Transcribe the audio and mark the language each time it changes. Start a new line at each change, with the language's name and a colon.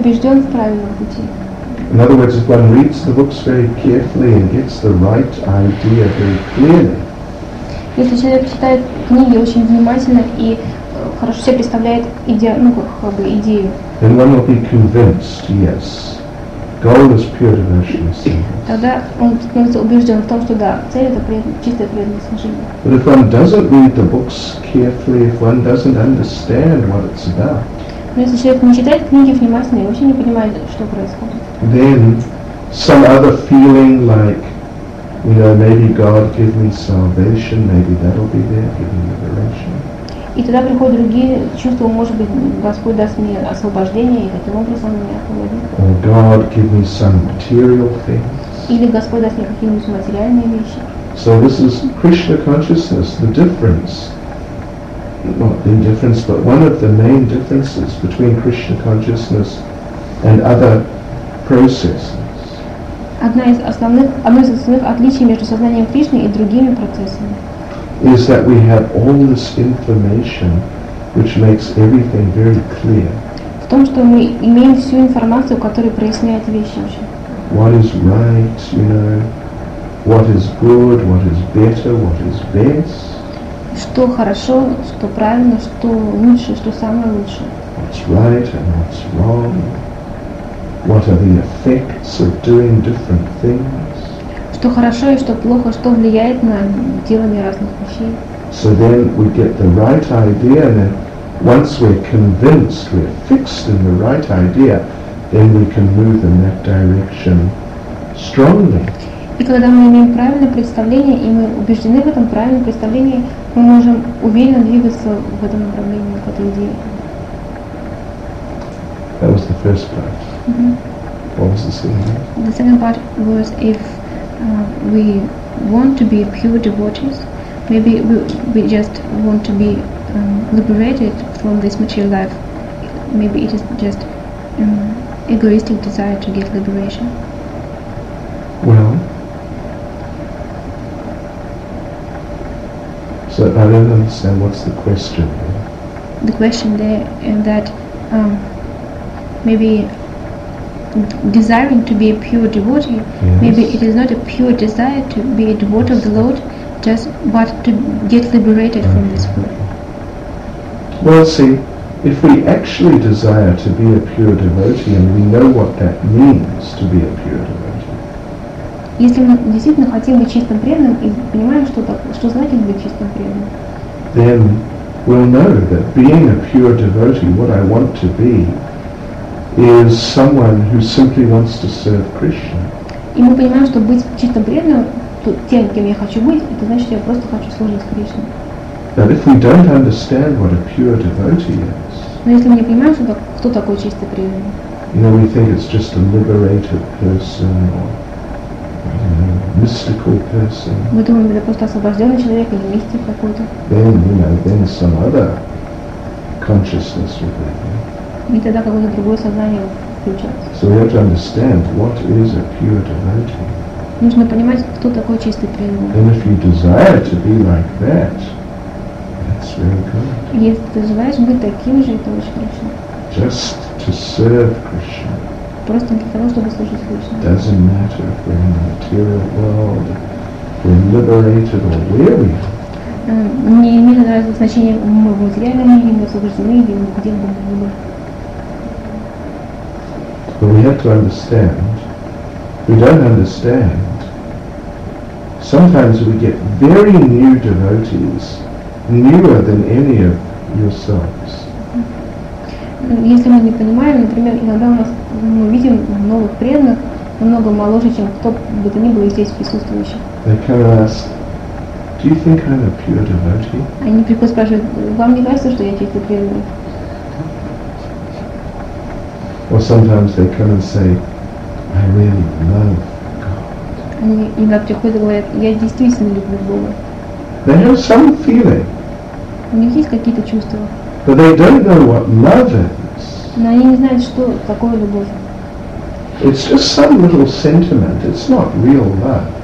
English: In other words, if one reads the books very carefully and gets the right idea very clearly,
Russian: если человек читает книги очень внимательно и хорошо себе представляет идею,
English: then one will be convinced, yes. Goal is pure devotional service.
Russian: Тогда он становится убежден в том, что да, цель — это чистое преданное служение.
English: But if one doesn't read the books carefully, if one doesn't understand what it's about,
Russian: но если человек не читает книги внимательно и вообще не понимает, что происходит,
English: then some other feeling like, you know, maybe God give me salvation, maybe that'll be there, give me liberation.
Russian: И тогда приходят другие чувства, может быть, Господь даст мне освобождение, и таким образом меня освободит. Или Господь даст мне какие-нибудь материальные вещи.
English: So this is Krishna consciousness, the difference. Not the difference, but one of the main differences between Krishna consciousness and other processes.
Russian: Одно из основных отличий между сознанием Кришны и другими процессами.
English: Is that we have all this information which makes everything very clear.
Russian: В том, что мы имеем всю информацию, которая проясняет вещи вообще.
English: What is right, you know, what is good, what is better, what is best.
Russian: Что хорошо, что правильно, что лучше, что самое лучшее.
English: What's right and what's wrong. What are the effects of doing different things.
Russian: Что хорошо и что плохо, что влияет на делание разных вещей.
English: So then we get the right idea, and then once we're convinced, we're fixed in the right idea, then we can move in that direction strongly.
Russian: И когда мы имеем правильное представление, и мы убеждены в этом правильном представлении, мы можем уверенно двигаться в этом направлении, к этой идее.
English: That was the first part. Mm-hmm. What was the second part? The second part was if we want to be pure devotees, maybe we just want to be liberated from this material life. Maybe it is just egoistic desire to get liberation. Well, so I don't understand, what's the question there? The question there is that maybe desiring to be a pure devotee, yes, maybe it is not a pure desire to be a devotee, yes, of the Lord, just but to get liberated, okay, from this world. Well, see, if we actually desire to be a pure devotee, and we know what that means to be a pure devotee,
Russian: если мы действительно хотим быть чистым преданным и понимаем, что так, что значит быть чистым преданным,
English: then we'll know that being a pure devotee, what I want to be, is someone who simply wants to serve Krishna.
Russian: И мы понимаем, что быть чистым преданным, то, тем, кем я хочу быть, это значит, что я просто хочу служить Кришне.
English: But if we don't understand what a pure devotee is,
Russian: но если мы не понимаем, что, кто такой чистый преданный,
English: you know, we think it's just a liberated person or mystical person.
Russian: Мы думаем, это просто освобожденный человек или мистик какой-то.
English: Then, you know, then some other consciousness will be there.
Russian: И тогда какое-то другое сознание включается.
English: So we have to understand what is a pure devotee.
Russian: Нужно понимать, кто такой чистый преданный.
English: Then if you desire to be like that, that's very good.
Russian: Если ты желаешь быть таким же, это очень хорошо.
English: Just to serve Krishna.
Russian: Просто для того, чтобы служить Кришне.
English: Doesn't matter if we're in the material world, we're liberated or where we are.
Russian: Не имеет значения, мы в материальном мире, мы освобождены или где бы мы были.
English: But we have to understand, we don't understand. Sometimes we get very new devotees, newer than any of yourselves.
Russian: Если мы не понимаем, например, иногда у нас мы видим новых преданных, намного моложе, чем кто бы то ни был здесь присутствующих.
English: They come and ask, do you think I'm a pure devotee?
Russian: Они приходят и спрашивают, вам не кажется, что я чистый преданный?
English: Or sometimes they come and say, I really love God.
Russian: Они иногда приходят и говорят, я действительно люблю Бога.
English: They have some feeling.
Russian: У них есть какие-то чувства.
English: But they don't know what love is.
Russian: Но они не знают, что такое любовь.
English: It's just some little sentiment. It's not real love.